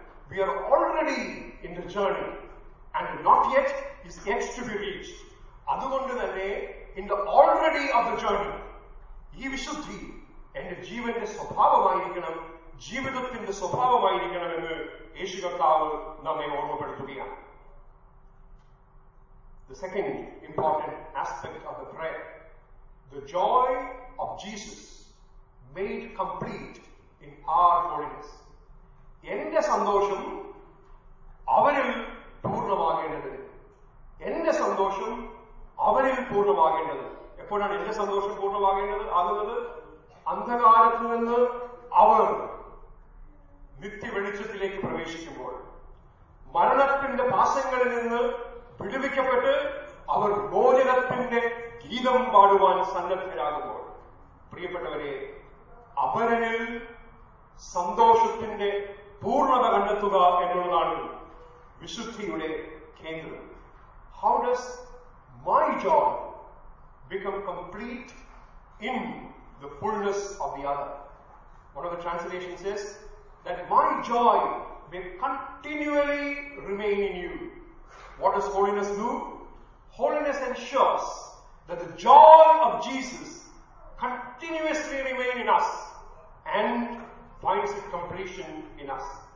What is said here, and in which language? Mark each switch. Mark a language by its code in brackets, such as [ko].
[en] We are already in the journey and not yet is yet to be reached. [ml] അതുകൊണ്ട് തന്നെ [en] in the already of the journey [ml] ഈ വിശുദ്ധി എന്റെ ജീവന്റെ സ്വഭാവമായിരിക്കണം, ജീവിതത്തിന്റെ സ്വഭാവമായിരിക്കണമെന്ന് യേശു കർത്താവ് നമ്മെ ഓർമ്മപ്പെടുത്തുകയാണ്. [en] The second important aspect of the prayer, the joy of Jesus made complete in our holiness. [ml] എന്റെ സന്തോഷം അവരിൽ പൂർണ്ണമാകേണ്ടത്, എന്റെ സന്തോഷം അവരിൽ പൂർണ്ണമാകേണ്ടത്. എപ്പോഴാണ് എന്റെ സന്തോഷം പൂർണ്ണമാകേണ്ടത് ആകുന്നത്? അന്ധകാരത്തിൽ നിന്ന് അവർ നിത്യ വെളിച്ചത്തിലേക്ക് പ്രവേശിക്കുമ്പോൾ, മരണത്തിന്റെ പാശങ്ങളിൽ നിന്ന് വിടുവിക്കപ്പെട്ട് അവർ മോചനത്തിന്റെ ഗീതം പാടുവാൻ സന്നദ്ധരാകുമ്പോൾ, പ്രിയപ്പെട്ടവരെ, അവരിൽ സന്തോഷത്തിന്റെ പൂർണ്ണത കണ്ടെത്തുക എന്നുള്ളതാണ് വിശുദ്ധിയുടെ കേന്ദ്രം. [en] How does my joy become complete in the fullness of the other? One of the translations says that my joy may continually remain in you. What does holiness do? Holiness ensures that the joy of Jesus continuously remain in us and finds its completion in us.